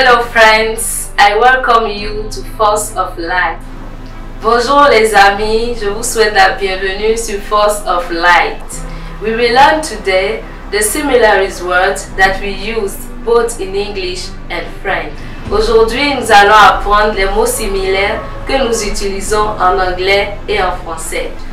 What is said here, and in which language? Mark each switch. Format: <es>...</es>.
<en>friends, I welcome you to Force of Life.</en> <fr>Bonjour les amis, je vous souhaite la bienvenue sur Force of Light.</fr> <en>We will learn today the similaries words that we use both in English and French.</en> <fr>Aujourd'hui, nous allons apprendre les mots similaires que nous utilisons en anglais et en français.</fr>